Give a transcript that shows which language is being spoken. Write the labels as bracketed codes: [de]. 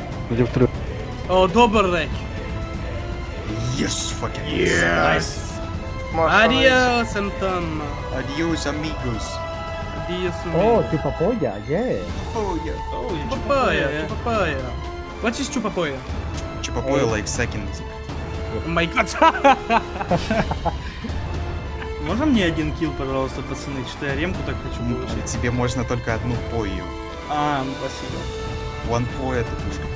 [ru] Где в три? О, добрый рейк! [en] Yes, fucking yes! [es] Adios, Anton! Adios, amigos! Adios, amigos! О, чупапоя, yeah! Чупапоя, чупапоя! [en] What is чупапоя? Чупапоя, like, second. Oh my god! [ru] Можно мне один килл, пожалуйста, пацаны? Что-то я ремку так хочу получить. Тебе можно только одну пою. А, спасибо. [en] One [ru] пою, это пушка.